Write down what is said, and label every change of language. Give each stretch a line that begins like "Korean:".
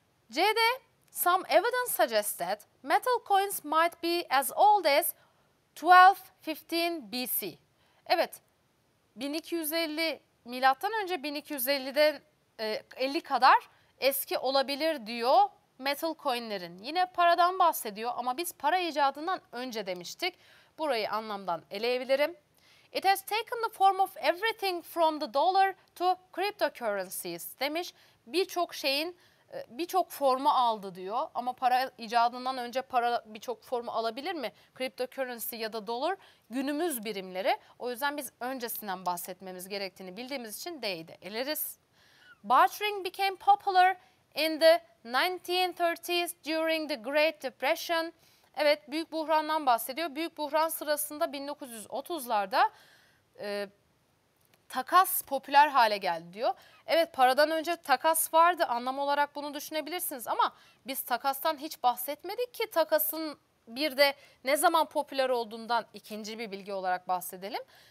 English: C'de some evidence suggests that metal coins might be as old as 1215 BC. Evet.
Turkish: 1250 milattan önce 1250'de 50 kadar eski olabilir diyor. Metal coinlerin. Yine paradan bahsediyor ama biz para icadından önce demiştik. Burayı anlamdan eleyebilirim.
English: It has taken the form of everything from the dollar to cryptocurrencies demiş.
Turkish: Birçok şeyin birçok formu aldı diyor. Ama para icadından önce para birçok formu alabilir mi? Cryptocurrency ya da dolar günümüz birimleri. O yüzden biz öncesinden bahsetmemiz gerektiğini bildiğimiz için D'yi de eleriz.
English: Bartering became popular in the 1930s during the Great Depression.
Turkish: Evet, büyük buhrandan bahsediyor. Büyük buhran sırasında 1930'larda takas popüler hale geldi diyor. Evet, paradan önce takas vardı. Anlam olarak bunu düşünebilirsiniz ama biz takastan hiç bahsetmedik ki. Takasın bir de ne zaman popüler olduğundan ikinci bir bilgi olarak bahsedelim.